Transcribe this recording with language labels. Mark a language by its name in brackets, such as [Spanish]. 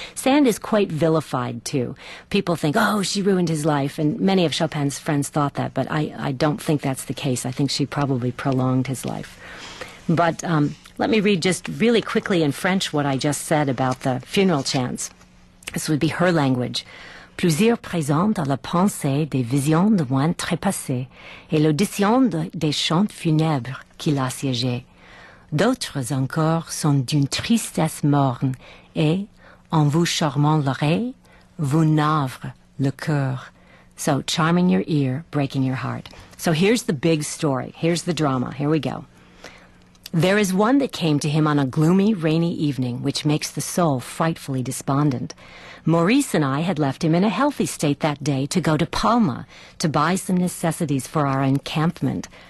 [English] Sand is quite vilified, too. People think, oh, she ruined his life, and many of Chopin's friends thought that, but I don't think that's the case. I think she probably prolonged his life. But let me read just really quickly in French what I just said about the funeral chants. This would be her language. [French] Plusieurs présents dans la pensée des visions de moines trépassés et l'audition des chants funèbres qui l'a siégé. D'autres encore sont d'une tristesse morne et, en vous charmant l'oreille, vous navre le cœur. [English] So, charming your ear, breaking your heart. So here's the big story. Here's the drama. Here we go. There is one that came to him on a gloomy, rainy evening, which makes the soul frightfully despondent. Maurice and I had left him in a healthy state that day to go to Palma to buy some necessities for our encampment.